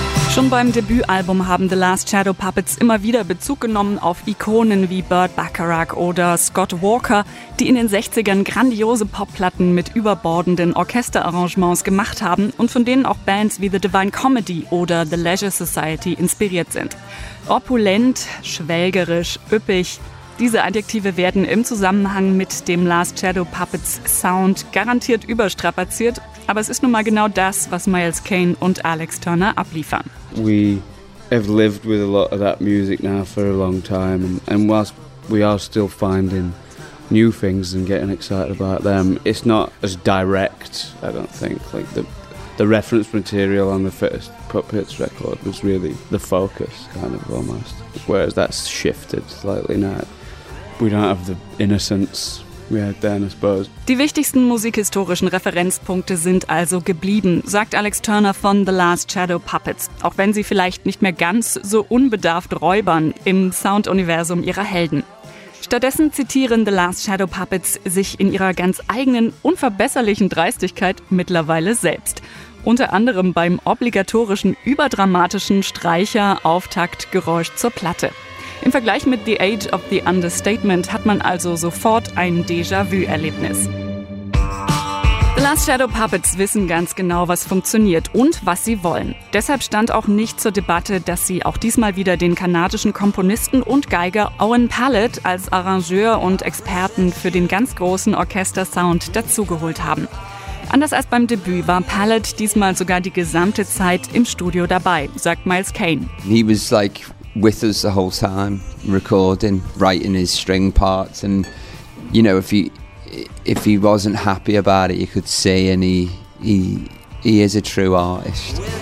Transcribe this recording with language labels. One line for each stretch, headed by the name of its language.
German: Schon beim Debütalbum haben The Last Shadow Puppets immer wieder Bezug genommen auf Ikonen wie Burt Bacharach oder Scott Walker, die in den 60ern grandiose Popplatten mit überbordenden Orchesterarrangements gemacht haben und von denen auch Bands wie The Divine Comedy oder The Leisure Society inspiriert sind. Opulent, schwelgerisch, üppig. Diese Adjektive werden im Zusammenhang mit dem Last Shadow Puppets Sound garantiert überstrapaziert, aber es ist nun mal genau das, was Miles Kane und Alex Turner abliefern.
English: We have lived with a lot of that music now for a long time, and whilst we are still finding new things and getting excited about them, it's not as direct, I don't think. Like the reference material on the first Puppets record was really the focus, kind of almost. Whereas that's shifted slightly now. We don't have the innocence we had then, I suppose.
German: Die wichtigsten musikhistorischen Referenzpunkte sind also geblieben, sagt Alex Turner von The Last Shadow Puppets, auch wenn sie vielleicht nicht mehr ganz so unbedarft räubern im Sound-Universum ihrer Helden. Stattdessen zitieren The Last Shadow Puppets sich in ihrer ganz eigenen, unverbesserlichen Dreistigkeit mittlerweile selbst. Unter anderem beim obligatorischen, überdramatischen Streicher-Auftaktgeräusch zur Platte. Im Vergleich mit The Age of the Understatement hat man also sofort ein Déjà-vu-Erlebnis. The Last Shadow Puppets wissen ganz genau, was funktioniert und was sie wollen. Deshalb stand auch nicht zur Debatte, dass sie auch diesmal wieder den kanadischen Komponisten und Geiger Owen Pallett als Arrangeur und Experten für den ganz großen Orchestersound dazugeholt haben. Anders als beim Debüt war Pallett diesmal sogar die gesamte Zeit im Studio dabei, sagt Miles Kane.
English: He was like with us the whole time, recording, writing his string parts, and you know, if he if he wasn't happy about it, you could see, and he is a true artist.